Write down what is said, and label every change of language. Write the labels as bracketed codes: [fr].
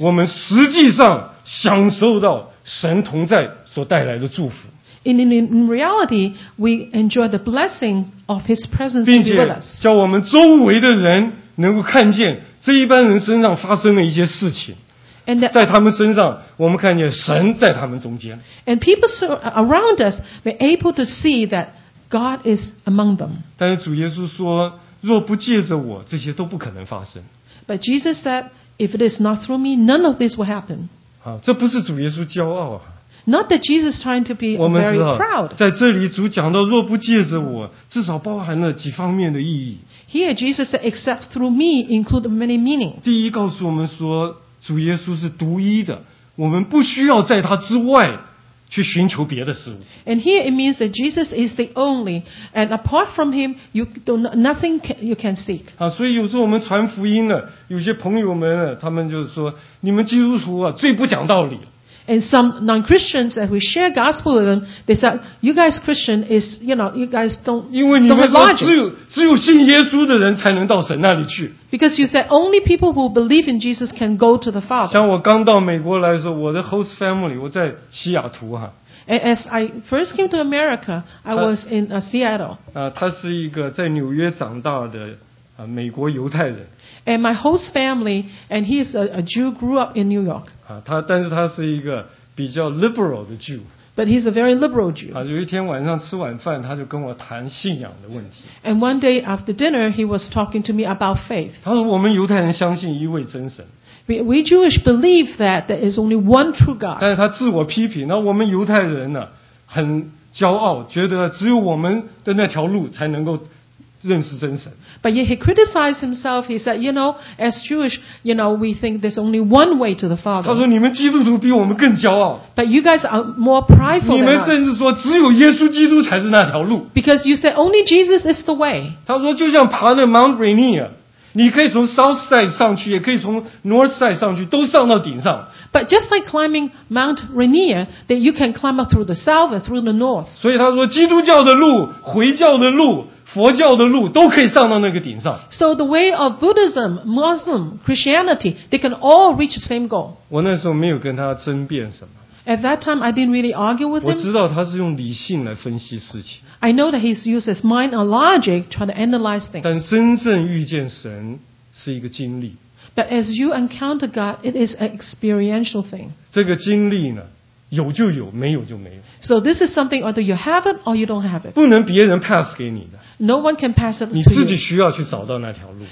[zh] 我们实际上享受到神同在所带来的祝福。 [en] In reality, we enjoy the blessing of His presence with us. [zh] 并且叫我们周围的人能够看见这一般人身上发生的一些事情。在他们身上，我们看见神在他们中间。 [en] And people around us were able to see that God is among them. [zh] 但是主耶稣说，若不借着我，这些都不可能发生。 [en] But Jesus said, if it is not through me, none of this will happen. [zh] 这不是主耶稣骄傲啊。 [en] Not that Jesus trying to be very proud. [zh] 在这里主讲到若不借着我，至少包含了几方面的意义。 [en] Here Jesus said, except through me, include many meaning. [zh] 第一，告诉我们说。主耶稣是独一的，我们不需要在他之外去寻求别的事物。 [en] And here it means that Jesus is the only, and apart from him, you don't nothing you can seek. [zh] 所以有时候我们传福音呢，有些朋友们呢，他们就是说，你们基督徒啊，最不讲道理。 [en] And some non-Christians that we share gospel with them, they said, "You guys Christian is, you know, you guys don't." [zh] 因为你们说只有信耶稣的人才能到神那里去。 [en] Because you said only people who believe in Jesus can go to the Father. [zh] 像我刚到美国来的时候，我的 host family 我在西雅图哈。 [en] And as I first came to America, I was in Seattle. [zh] 他是一个在纽约长大的。美国犹太人。 [en] And my host family, and he is a Jew, grew up in New York. [zh] 但是他是一个比较 liberal 的 Jew. [en] But he's a very liberal Jew. [zh] 有一天晚上吃晚饭，他就跟我谈信仰的问题。 [en] And one day after dinner, he was talking to me about faith. [zh] 他说我们犹太人相信一位真神。 [en] We Jewish believe that there is only one true God. [zh] 但是他自我批评，那我们犹太人呢，很骄傲，觉得只有我们的那条路才能够。认识真神。 [en] But yet he criticized himself. He said, "You know, as Jewish, you know, we think there's only one way to the Father." [zh] 他说：“你们基督徒比我们更骄傲。 [en] ”But you guys are more prideful than us. [zh] 你们甚至说只有耶稣基督才是那条路。 [en] Because you said only Jesus is the way. [zh] 他说：“就像爬那 Mount Rainier， 你可以从 South Side 上去，也可以从 North Side 上去，都上到顶上。 [en] ”But just like climbing Mount Rainier, that you can climb up through the south or through the north. [zh] 所以他说：“基督教的路，回教的路。” 佛教的路都可以上到那个顶上。 [en] So the way of Buddhism, Muslim, Christianity, they can all reach the same goal. [zh] 我那时候没有跟他争辩什么。 [en] At that time, I didn't really argue with him. [zh] 我知道他是用理性来分析事情。 [en] I know that he uses mind and logic trying to analyze things. [zh] 但真正遇见神是一个经历。 [en] But as you encounter God, it is an experiential thing. [zh] 这个经历呢？有就有，没有就没有。 [en] So this is something either you have it or you don't have it. [zh] 不能别人 pass 给你的。 [en] No one can pass it to you. [zh] 你自己需要去找到那条路。